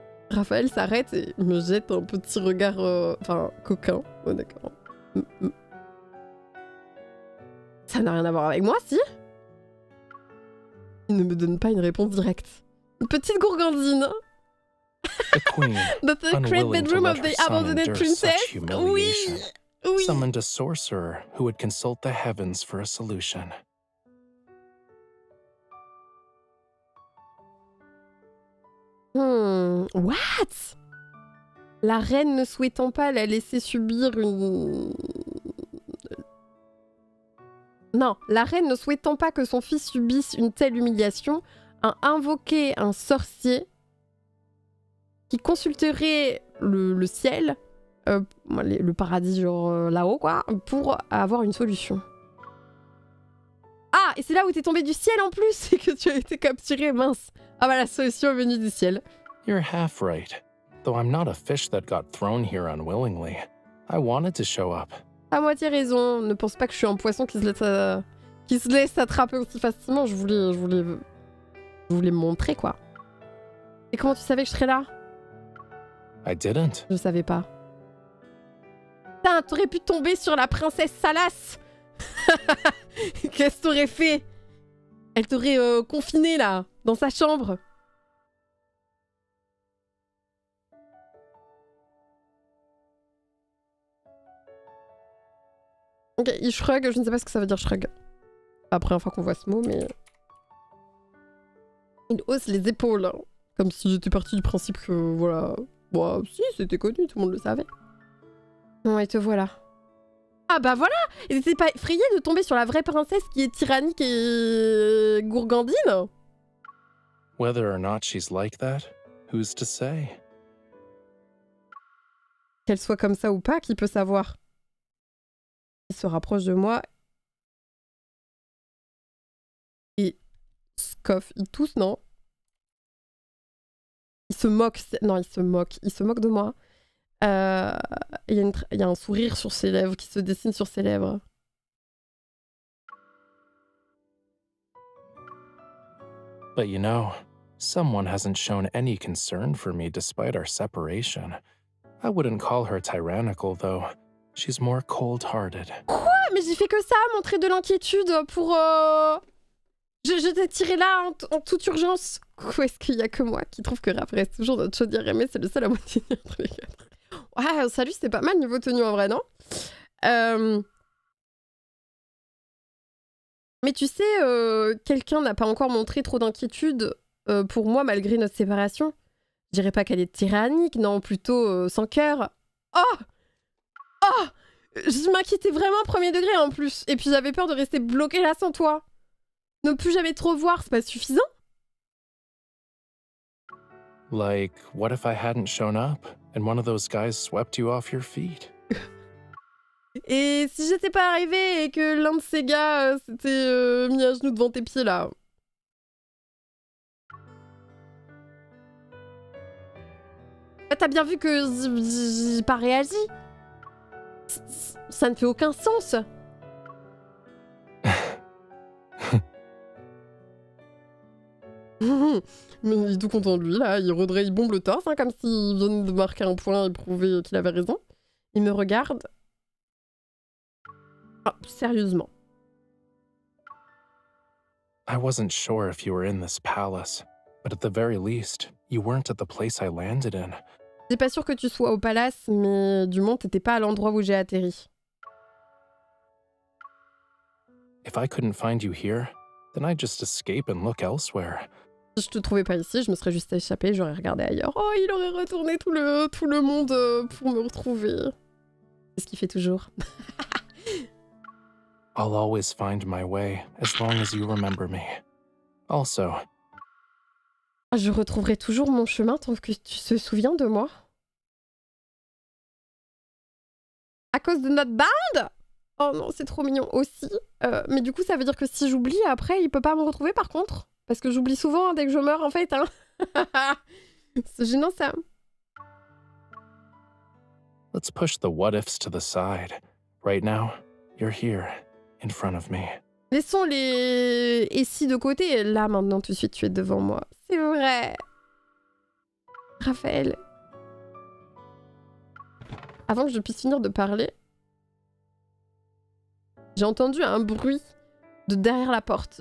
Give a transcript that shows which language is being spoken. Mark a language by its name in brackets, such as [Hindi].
[French] Raphaël s'arrête et me jette un petit regard... enfin, coquin. Oh, d'accord. Ça n'a rien à voir avec moi, si ? Il ne me donne pas une réponse directe. Une petite gourgandine. [English] The queen, the great bedroom of the abandoned princess. [French] Oui, oui. [English] Summoned a sorcerer who would consult the heavens for a solution. What? [French] La reine ne souhaitant pas la laisser subir une... Non, la reine ne souhaitant pas que son fils subisse une telle humiliation, a invoqué un sorcier qui consulterait le ciel, le paradis genre là-haut quoi, pour avoir une solution. Ah, et c'est là où t'es tombé du ciel en plus, et que tu as été capturé, mince. Ah bah la solution est venue du ciel. [English] You're half right. Though I'm not a fish that got thrown here unwillingly, I wanted to show up. [French] À moitié raison, ne pense pas que je suis un poisson qui se laisse attraper aussi facilement. Je voulais montrer quoi. Et comment tu savais que je serais là? [English] I didn't. [French] Je savais pas. Putain, t'aurais pu tomber sur la princesse Salas. Qu'est-ce que t'aurais fait? Elle t'aurait confiné là, dans sa chambre. Ok, il shrug, je ne sais pas ce que ça veut dire shrug. C'est pas la première fois qu'on voit ce mot, mais... Il hausse les épaules, comme si j'étais partie du principe que, voilà... Bah, si, c'était connu, tout le monde le savait. Bon, et te voilà. Ah bah voilà! Il n'était pas effrayé de tomber sur la vraie princesse qui est tyrannique et... gourgandine? [English] Whether or not she's like that, who's to say? [French] Qu'elle soit comme ça ou pas, qui peut savoir? Il se rapproche de moi et scoff, il tousse, non? Il se moque de moi. Il y a un sourire sur ses lèvres, qui se dessine sur ses lèvres. [English] But you know, someone hasn't shown any concern for me despite our separation. I wouldn't call her tyrannical though. She's more cold-hearted. [French] Quoi? Mais j'ai fait que ça, montrer de l'inquiétude pour... Je t'ai tiré là en toute urgence. Quoi, est-ce qu'il y a que moi qui trouve que Raph reste toujours notre chaudière aimée, c'est le seul à moitié entre les quatre. Ouais, salut, c'était pas mal niveau tenue en vrai, non? Mais tu sais, quelqu'un n'a pas encore montré trop d'inquiétude pour moi malgré notre séparation. Je dirais pas qu'elle est tyrannique, non, plutôt sans cœur. Oh! Oh, je m'inquiétais vraiment premier degré en plus. Et puis j'avais peur de rester bloquée là sans toi. Ne plus jamais te revoir, c'est pas suffisant? [English] Like, what if I hadn't shown up and one of those guys swept you off your feet? [French] Et si j'étais pas arrivée et que l'un de ces gars s'était mis à genoux devant tes pieds là? T'as bien vu que j'ai pas réagi? Ça ne fait aucun sens. Mais il est tout content de lui, là. Il bombe le torse, hein, comme s'il venait de marquer un point et prouver qu'il avait raison. Il me regarde. Ah, sérieusement. [English] I wasn't sure if you were in this palace, but at the very least, you weren't at the place I landed in. [French] J'ai pas sûr que tu sois au palace, mais du moins t'étais pas à l'endroit où j'ai atterri. [English] If I couldn't find you here, then I'd just escape and look elsewhere. [French] Si je te trouvais pas ici, je me serais juste échappé, j'aurais regardé ailleurs. Oh, il aurait retourné tout le monde pour me retrouver. C'est ce qu'il fait toujours. [English] I'll always find my way, as long as you remember me. Also... [French] Je retrouverai toujours mon chemin tant que tu te souviens de moi. À cause de notre bande ? Oh non, c'est trop mignon aussi. Mais du coup, ça veut dire que si j'oublie, après, il peut pas me retrouver par contre ? Parce que j'oublie souvent hein, dès que je meurs, en fait. Hein. C'est gênant, ça. [English] Let's push the what-ifs to the side. Right now, you're here. In front of me. [French] Laissons les ici de côté. Là, maintenant, tout de suite, tu es devant moi. C'est vrai. Raphaël. Avant que je puisse finir de parler, j'ai entendu un bruit de derrière la porte.